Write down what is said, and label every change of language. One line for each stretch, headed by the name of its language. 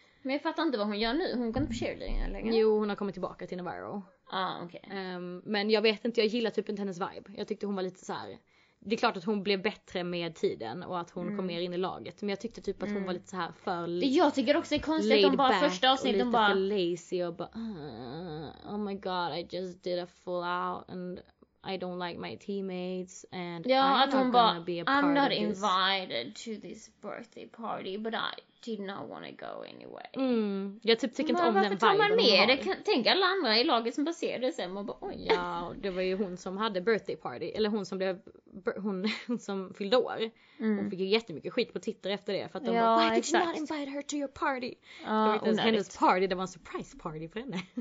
Swedish: Men jag fattar inte vad hon gör nu. Hon går inte på cheerleading längre. Jo, hon har kommit tillbaka till Navarro. Ah, okej. Okay. Men jag vet inte, jag gillar typ inte hennes vibe. Jag tyckte hon var lite så här. Det är klart att hon blev bättre med tiden och att hon kom mer in i laget. Men jag tyckte typ att hon var lite så här för laid back. Jag tycker också det är konstigt att de bara första avsnittet och bara... för lazy och bara...
English: Oh my god, I just did a full out and... I don't like my teammates and yeah, I'm not gonna be a part of this. I'm not invited to this birthday party, but I did not want to go anyway.
Swedish: Jag typ tycker inte om den viben. Varför tar man med? Det kan, tänk alla andra i laget som baserade sig och bara, oj. Ja, det var ju hon som hade birthday party. Eller hon som blev, hon som fyllde år. Hon fick ju jättemycket skit på Twitter efter det. För att de bara,
English: why did you not invite her to your party?
Swedish: Hennes party, det var en surprise party för henne.